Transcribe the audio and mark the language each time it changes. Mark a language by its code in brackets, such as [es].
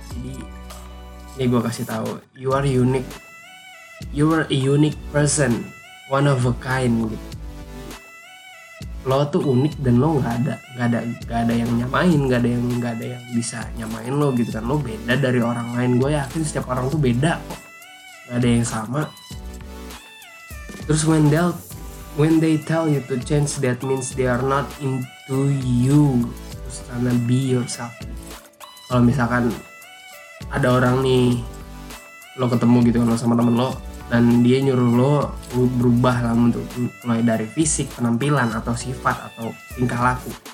[id] Jadi ini gue kasih tahu, [en] you are unique, you are a unique person, one of a kind gitu. [id] Lo tuh unik dan lo nggak ada yang nyamain, nggak ada yang bisa nyamain lo gitu kan. Lo beda dari orang lain. Gue yakin setiap orang tuh beda kok, nggak ada yang sama. [en] Terus When they tell you to change, that means they are not into you. [id] Terus karena [en] be yourself. [id] Kalau misalkan ada orang nih, lo ketemu gitu kan sama temen lo, dan dia nyuruh lo berubah lah, untuk mulai dari fisik, penampilan, atau sifat, atau tingkah laku.